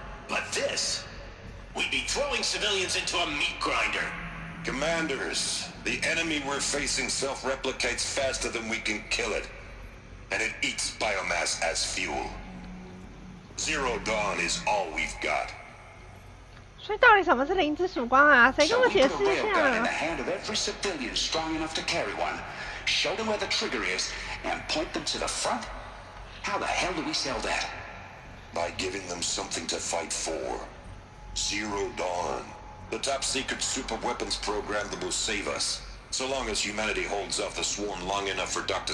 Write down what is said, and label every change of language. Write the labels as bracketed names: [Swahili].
[English] But this? We'd be throwing civilians into a meat grinder. Commanders... The enemy we're facing self-replicates faster than we can kill it. And it eats biomass as fuel. Zero Dawn is all we've got. [Chinese] So, 到底什么是灵之曙光啊？谁跟我解释一下？ [English] So we put a railgun in the hand of every civilian strong enough to carry one, show them where the trigger is, and point them to the front? How the hell do we sell that? By giving them something to fight for. Zero Dawn. The top secret super weapons program that will save us. So long as humanity holds off the swarm long enough for Dr.